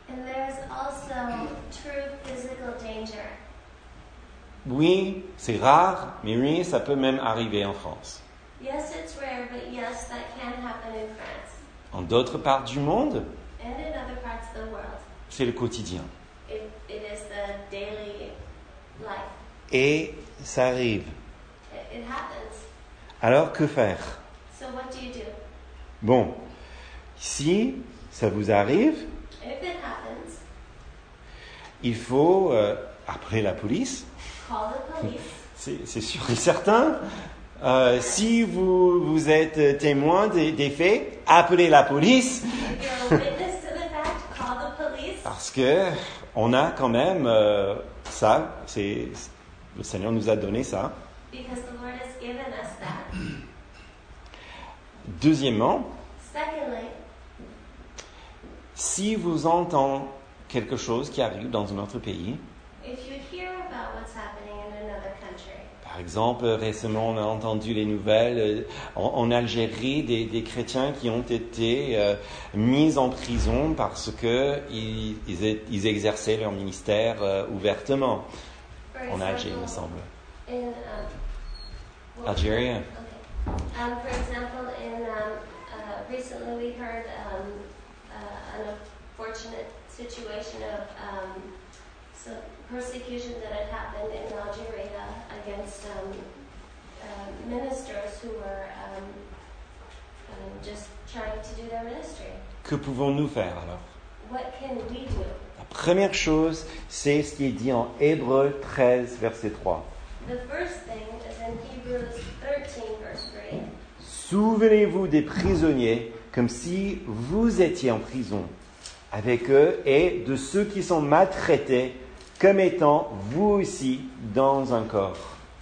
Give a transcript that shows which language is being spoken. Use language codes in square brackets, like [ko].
[en] And there's also true physical danger. [fr] Oui, c'est rare, mais oui, ça peut même arriver en France. [en] Yes, it's rare, but yes, that can happen in France. [fr] En d'autres parts du monde, [en] and in other parts of the world, [fr] c'est le quotidien. [en] It is the daily life. [fr] Et ça arrive. [en] It happens. [fr] Alors, que faire? [en] So what do you do? [fr] Bon, si ça vous arrive, [en] if it happens, [fr] il faut appeler la police. [en] Call the police. [fr] C'est sûr et certain. Si vous êtes témoin des faits, appelez la police. [en] If you're a witness to the fact, call the police. [fr] Parce que on a quand même ça, c'est le Seigneur nous a donné ça. [en] Because the Lord has given us that. [fr] Deuxièmement, [en] secondly, [fr] si vous entendez quelque chose qui arrive dans un autre pays, [en] if you hear about what's happening in another country, [fr] par exemple, récemment, on a entendu les nouvelles en Algérie des chrétiens qui ont été mis en prison parce qu'ils exerçaient leur ministère ouvertement. En Algérie, il me semble. Algérie. [en] Okay. For example, recently we heard an unfortunate situation of some persecution that had happened in Algeria against ministers who were just trying to do their ministry. [fr] Que pouvons-nous faire alors? [en] What can we do? [fr] Première chose, c'est ce qui est dit en Hébreux 13, verset 3. [en] The first thing is in Hebrews 13, verse 3. [fr] Souvenez-vous des prisonniers comme si vous étiez en prison avec eux et de ceux qui sont maltraités comme étant vous aussi dans un corps.